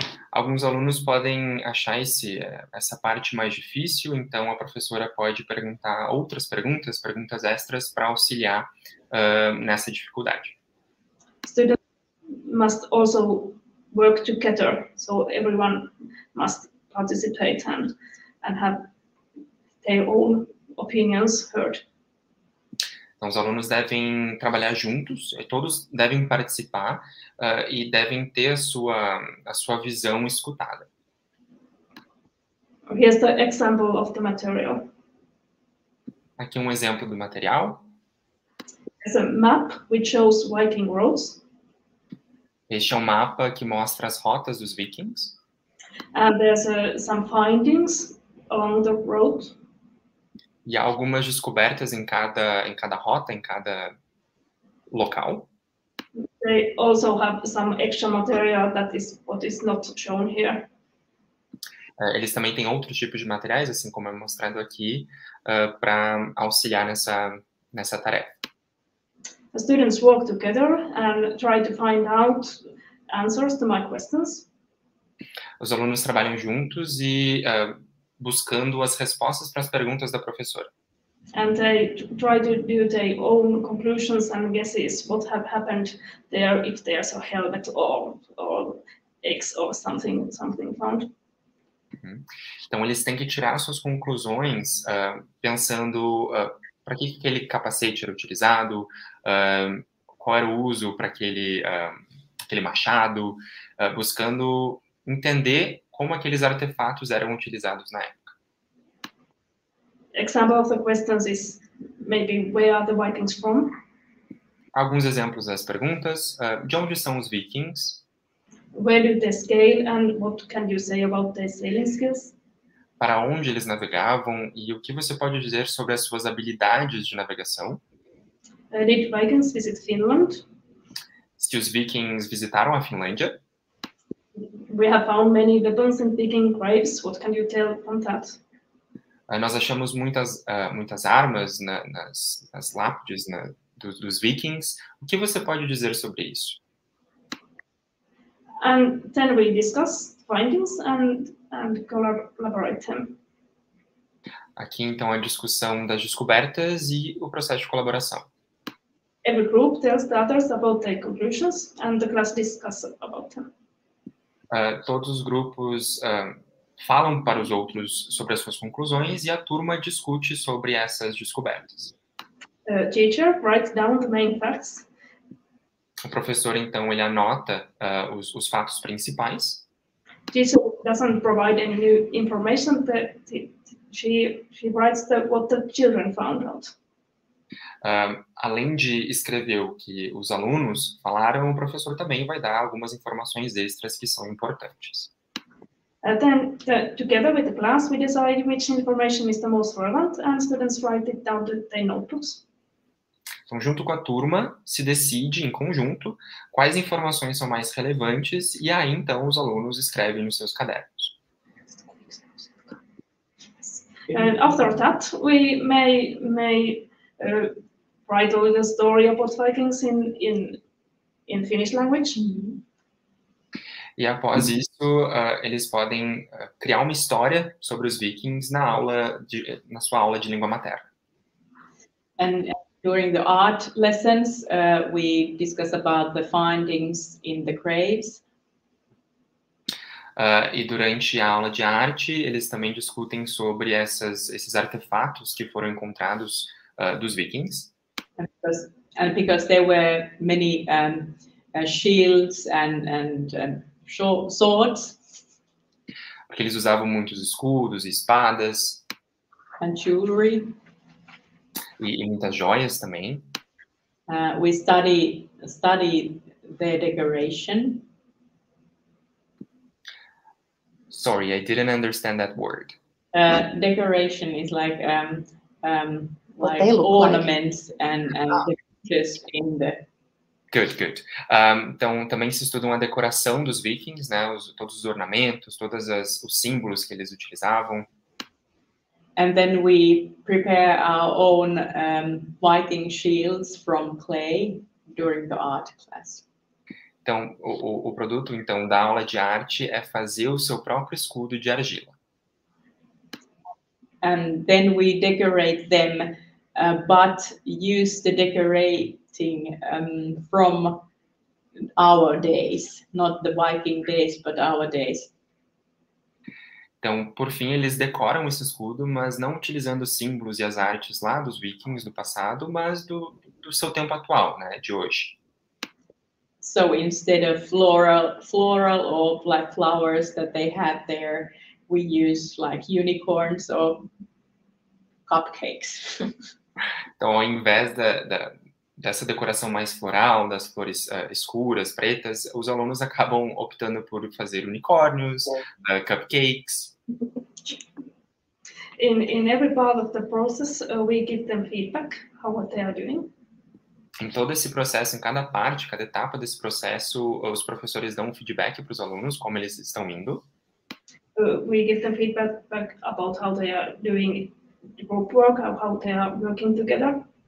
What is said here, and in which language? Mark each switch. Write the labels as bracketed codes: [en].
[pt] Alguns alunos podem achar essa parte mais difícil, então a professora pode perguntar outras perguntas extras para auxiliar nessa dificuldade. [en] Students must also work together, so everyone must participate and have their own opinions heard. [pt] Então, os alunos devem trabalhar juntos, todos devem participar e devem ter a sua visão escutada. [en] Here's the example of the material. [pt] Aqui um exemplo do material. [en] There's a map which shows Viking roads. [pt] Este é um mapa que mostra as rotas dos Vikings. [en] And there's some findings along the road. [pt] E há algumas descobertas em cada rota, em cada local. [en] They also have some extra material that is what is not shown here. [pt] Eles também têm outros tipos de materiais, assim como é mostrado aqui, para auxiliar nessa tarefa. [en] The students work together and try to find out answers to my questions. [pt] Os alunos trabalham juntos e buscando as respostas para as perguntas da professora. [en] And they try to do their own conclusions and guesses what have happened there, if there's a helmet or eggs or something found. [pt] Então eles têm que tirar suas conclusões pensando para que aquele capacete era utilizado, qual era o uso para aquele machado, buscando entender como aqueles artefatos eram utilizados na época. [en] Example of the questions is maybe where are the Vikings from? [pt] Alguns exemplos das perguntas. De onde são os Vikings? [en] Where do they sail and what can you say about their sailing skills? [pt] Para onde eles navegavam e o que você pode dizer sobre as suas habilidades de navegação? [en] Did Vikings visit Finland? Se os Vikings visitaram a Finlândia? We have found many weapons and Viking graves. What can you tell from that? [pt] Nós achamos muitas armas nas lápides dos Vikings. O que você pode dizer sobre isso? [en] And then we discuss findings and collaborate them. [pt] Aqui então a discussão das descobertas e o processo de colaboração. [en] Every group tells the others about their conclusions and the class discusses about them. [pt] Todos os grupos falam para os outros sobre as suas conclusões e a turma discute sobre essas descobertas. [en] Teacher writes down the main facts. [pt] O professor, então, ele anota os fatos principais. [en] Teacher doesn't provide any new information, but she writes what the children found out. [pt] Além de escrever o que os alunos falaram, o professor também vai dar algumas informações extras que são importantes. [en] Together with the class, we decide which information is the most relevant, and students write it down to their notebooks. [pt] Então, junto com a turma, se decide em conjunto quais informações são mais relevantes, e aí então os alunos escrevem nos seus cadernos. [en] And after that, we may write a little story about Vikings in Finnish language. [pt] E após isso, eles podem criar uma história sobre os Vikings na sua aula de língua materna. [en] And during the art lessons, we discuss about the findings in the graves. [pt] E durante a aula de arte, eles também discutem sobre esses artefatos que foram encontrados dos Vikings. [en] And because there were many shields and swords. [pt] Porque eles usavam muitos escudos e espadas. [en] And jewelry. [pt] E muitas joias também. [en] We study their decoration. Sorry, I didn't understand that word. Decoration is like ornaments and pictures in the. Good. [pt] Então, também se estudam a decoração dos Vikings, né? Todos os ornamentos, todos os símbolos que eles utilizavam. [en] And then we prepare our own Viking shields from clay during the art class. [pt] Então, o produto, então, da aula de arte é fazer o seu próprio escudo de argila. [en] And then we decorate them, but use the decorating from our days. Not the Viking days, but our days. [pt] Então, por fim, eles decoram esse escudo, mas não utilizando os símbolos e as artes lá dos Vikings do passado, mas do seu tempo atual, né, de hoje. [en] So instead of floral or black flowers that they had there, we use like unicorns or cupcakes. [pt] Então, ao invés dessa decoração mais floral, das flores escuras, pretas, os alunos acabam optando por fazer unicórnios, cupcakes. [en] In every part of the process, we give them feedback how what they are doing. [pt] Em todo esse processo, em cada parte, cada etapa desse processo, os professores dão um feedback para os alunos, como eles estão indo. [en] We give them feedback about how they are doing group work, how they are working together.